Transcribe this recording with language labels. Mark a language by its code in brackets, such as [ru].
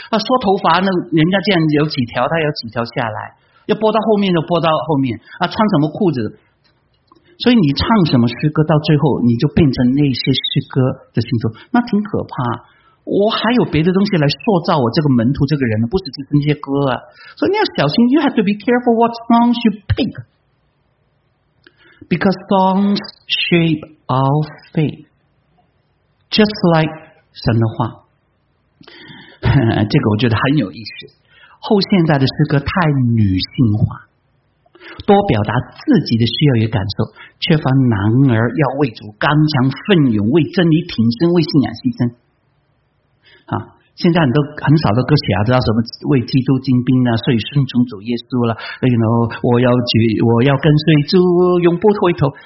[zh] 他说头发呢，人家这样有几条，他有几条下来，要拨到后面就拨到后面啊，穿什么裤子，所以你唱什么诗歌到最后你就变成那些诗歌的信徒，那挺可怕。我还有别的东西来塑造我这个门徒这个人，不只是那些歌啊。所以你要小心， [en] You have to be careful what songs you pick, because songs shape our faith, just like [zh] 神的话。这个我觉得很有意思，后现代的诗歌太女性化，多表达自己的需要与感受，缺乏男儿要为主刚强奋勇，为真理挺身，为信仰牺牲。啊，现在很少的歌曲啊，知道什么为基督精兵啊，所以顺从主耶稣了，哎呦，我要跟随主，永不回头。